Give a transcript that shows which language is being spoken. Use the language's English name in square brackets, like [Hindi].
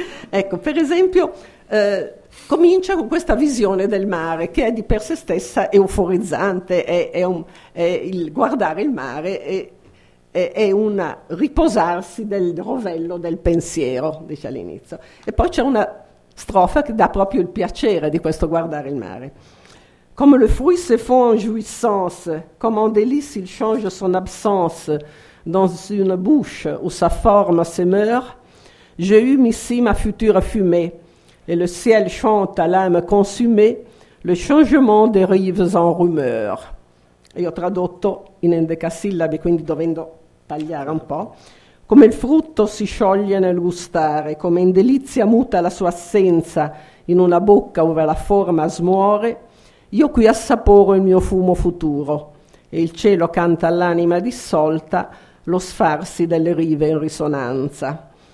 [Italian] Ecco, per esempio, comincia con questa visione del mare, che è di per sé stessa euforizzante, è il guardare il mare è un riposarsi del rovello del pensiero, dice all'inizio. E poi c'è una strofa che dà proprio il piacere di questo guardare il mare. [French] Comme le fruit se fond en jouissance, comme en délice il change son absence dans une bouche où sa forme se meurt, j'ai eu ici ma future fumée, et le ciel chante à l'âme consumée, le changement des rives en rumeur. [Italian] E io ho tradotto in endecasillabi, quindi dovendo tagliare un po'. Come il frutto si scioglie nel gustare, come in delizia muta la sua assenza in una bocca dove la forma smuore, io qui assaporo il mio fumo futuro e il cielo canta all'anima dissolta lo sfarsi delle rive in risonanza.